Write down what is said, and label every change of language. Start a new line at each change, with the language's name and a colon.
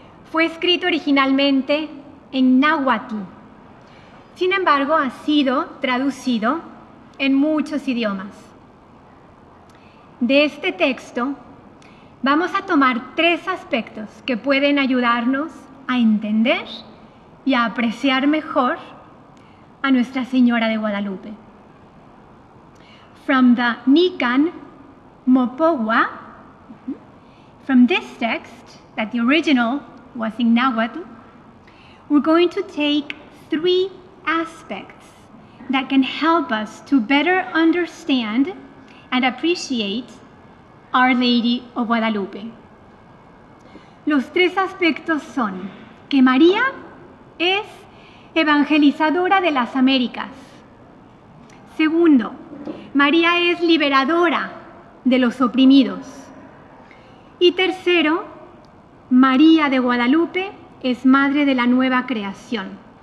Spanish: Fue escrito originalmente en náhuatl. Sin embargo, ha sido traducido en muchos idiomas. De este texto, vamos a tomar tres aspectos que pueden ayudarnos a entender y a apreciar mejor a Nuestra Señora de Guadalupe.
English: From the Nican Mopoua, from this text, that the original was in Nahuatl, we're going to take three aspects that can help us to better understand and appreciate Our Lady of Guadalupe.
Spanish: Los tres aspectos son que María es evangelizadora de las Américas. Segundo, María es liberadora de los oprimidos. Y tercero, María de Guadalupe es madre de la nueva creación.